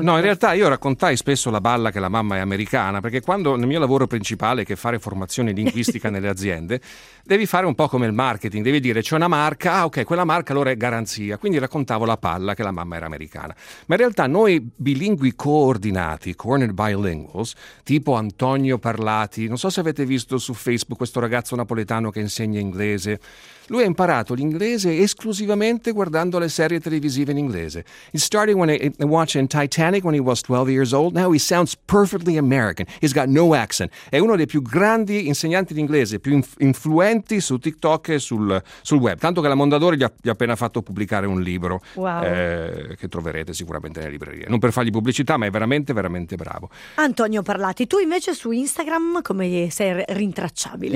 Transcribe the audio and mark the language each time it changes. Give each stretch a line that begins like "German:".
Italian: No, in realtà io raccontai spesso la balla che la mamma è americana, perché quando nel mio lavoro principale, che è fare formazione linguistica nelle aziende, devi fare un po' come il marketing, devi dire c'è una marca, ah ok, quella marca allora è garanzia, quindi raccontavo la palla che la mamma era americana. Ma in realtà noi bilingui coordinati, cornered bilinguals, tipo Antonio Parlati, non so se avete visto su Facebook questo ragazzo napoletano che insegna inglese. Lui ha imparato l'inglese esclusivamente guardando le serie televisive in inglese.
English: He started watching Titanic when he was 12 years old. Now he sounds perfectly American. He's got no accent.
Italian: È uno dei più grandi insegnanti di inglese, più influenti su TikTok e sul web. Tanto che la Mondadori gli ha appena fatto pubblicare un libro. Wow. Che troverete sicuramente nelle librerie. Non per fargli pubblicità, ma è veramente, veramente bravo. Antonio Parlati, tu invece su Instagram come sei rintracciabile?